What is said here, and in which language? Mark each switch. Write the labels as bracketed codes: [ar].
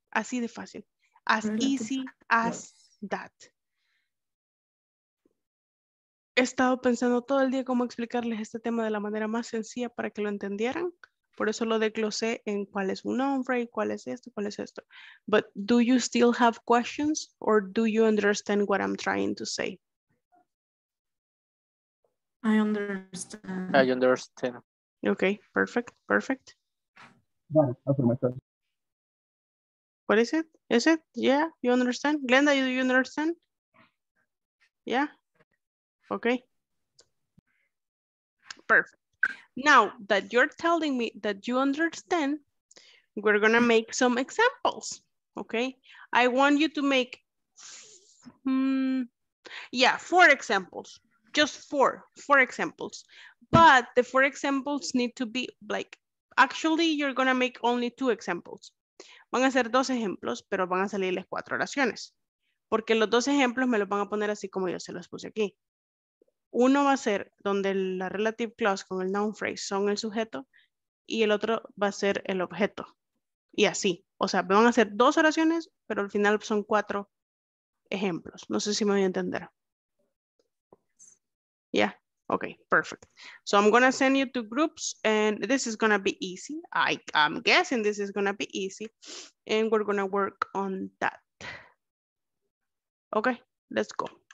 [es] así de fácil, [en] as relative easy clause. As that. [es] He estado pensando todo el día cómo explicarles este tema de la manera más sencilla para que lo entendieran. Por eso lo desglosé en cuál es un nombre, cuál es esto. [en] But do you still have questions or do you understand what I'm trying to say? I understand. Okay, perfect. Yeah, what is it? Is it? Yeah, you understand? Glenda, do you understand? Yeah? Okay. Perfect. Now that you're telling me that you understand, we're gonna make some examples, okay? I want you to make, four examples, just four examples. But the four examples need to be like, actually you're gonna make only two examples. [es] Van a ser dos ejemplos, pero van a salirles cuatro oraciones. Porque los dos ejemplos me los van a poner así como yo se los puse aquí. Uno va a ser donde la relative clause con el noun phrase son el sujeto y el otro va a ser el objeto. Y así. O sea, van a ser dos oraciones, pero al final son cuatro ejemplos. No sé si me voy a entender. [en] Yeah. Okay, perfect. So I'm going to send you to groups and this is going to be easy. I'm guessing this is going to be easy and we're going to work on that. Okay, let's go.